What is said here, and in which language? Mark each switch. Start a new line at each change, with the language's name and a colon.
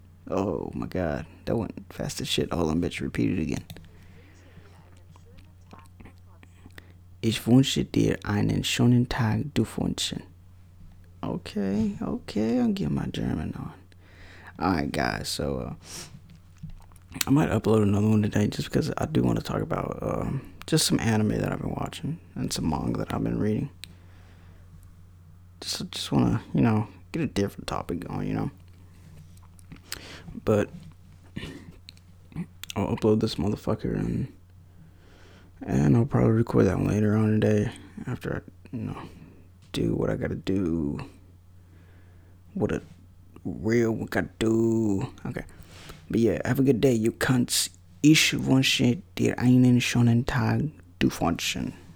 English: Oh my god, that went fast as shit. Hold on, bitch, repeat it again.
German: Ich wünsche dir einen schönen Tag, du Fotzen.
English: Okay, I'm getting my German on. Alright, guys, so I might upload another one today just because I do want to talk about just some anime that I've been watching and some manga that I've been reading. Just want to, you know, get a different topic going, you know. But I'll upload this motherfucker and I'll probably record that later on today after I, you know, do what I gotta do. What a real what I gotta do. Okay. But yeah, have a good day, you cunts.
German: Ich wünsche dir einen schönen Tag, du Fotzen.